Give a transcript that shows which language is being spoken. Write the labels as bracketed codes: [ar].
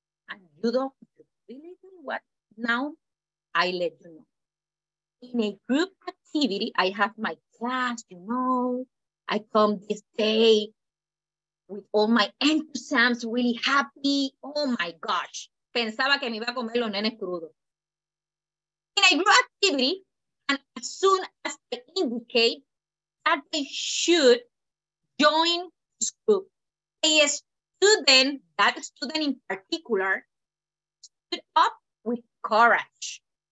[en] And you don't really know what now I let you know. In a group activity, I have my class, you know, I come this day with all my enthusiasm, really happy. Oh my gosh. [es] Pensaba que me iba a comer los nenes crudos. [en] In a group activity, and as soon as they indicate that they should join this group, a student, that student in particular, stood up with courage.